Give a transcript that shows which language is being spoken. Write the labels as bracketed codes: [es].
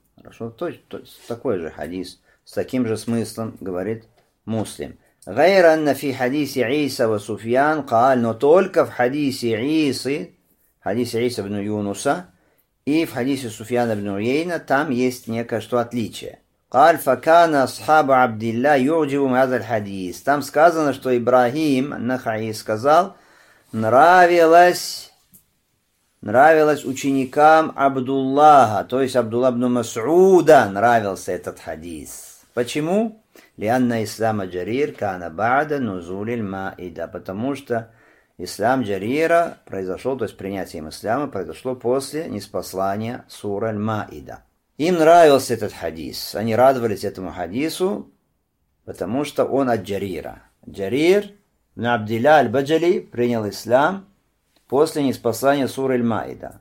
[ru] Хорошо, то есть такой же хадис, с таким же смыслом, говорит Муслим. [ar] Гайра анна фи хадисе Иса ва Суфьян каал, [ru] но только в хадисе Иса ибн Юнуса и в хадисе Суфьяна ибн Уйейна там есть некое что отличие. [ar] قال فكان أصحاب عبد الله يعجبهم هذا الحديث. [ru] Там сказано, что Ибрахим Нахаи сказал, нравилось ученикам Абдуллаха, то есть Абдулла ибн Масуда нравился этот хадис. Почему? [ar] لأن إسلام جرير كان بعد نزول المائدة. [ru] Потому что ислам Джарира произошел, то есть принятие ислама произошло после ниспослания суры аль-Маида. Им нравился этот хадис. Они радовались этому хадису, потому что он от Джарира. Джарир ибн Абдилля аль-Баджали принял ислам после ниспослания суры аль-Маида.